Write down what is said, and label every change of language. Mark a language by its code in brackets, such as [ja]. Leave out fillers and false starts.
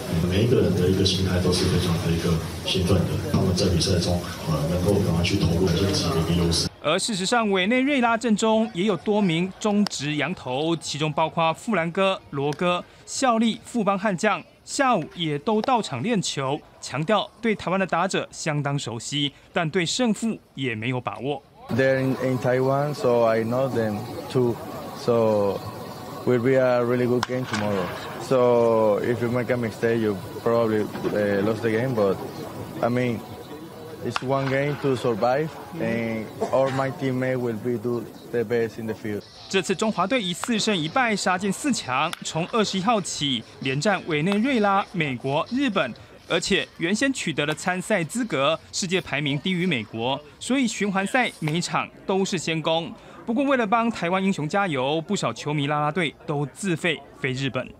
[zh] 每一个人的一个心态都是非常的一个兴奋的，他们在比赛中能够赶快去投入自己的一个优势。而事实上，委内瑞拉阵中也有多名中职洋投，其中包括富兰哥、罗哥，效力富邦悍将。下午也都到场练球，强调对台湾的打者相当熟悉，但对胜负也没有把握。 [en] They're in Taiwan, so I know them too. So will be a really good game tomorrow. So if you make a mistake, you probably lost the game. But I mean, it's one game to survive, and all my teammates will be do the best in the field. [zh] 这次中华队以四胜一败杀进四强，从21号起连战委内瑞拉、美国、日本。而且原先取得了参赛资格，世界排名低于美国，所以循环赛每场都是先攻。不过为了帮台湾英雄加油，不少球迷啦啦队都自费飞日本。